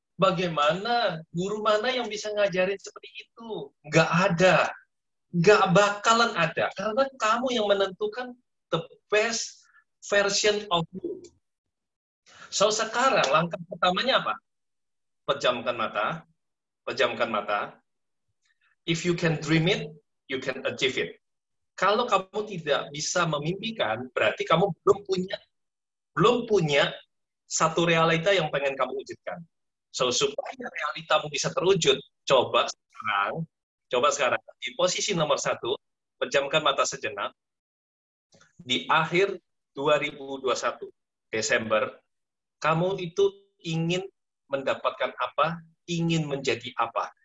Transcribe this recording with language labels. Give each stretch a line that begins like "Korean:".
Indonesian: Bagaimana guru mana yang bisa ngajarin seperti itu? Gak ada. Gak bakalan ada. Karena kamu yang menentukan
English: the best version of you.
Indonesian: So sekarang langkah pertamanya apa? Pejamkan mata. Pejamkan mata.
English: If you can dream it, you can achieve it.
Indonesian: Kalau kamu tidak bisa memimpikan, berarti kamu belum punya satu realita yang pengen kamu wujudkan. So, supaya realitamu bisa terwujud, coba sekarang, di posisi nomor satu, pejamkan mata sejenak, di akhir 2021, Desember, kamu itu ingin mendapatkan apa, ingin menjadi apa.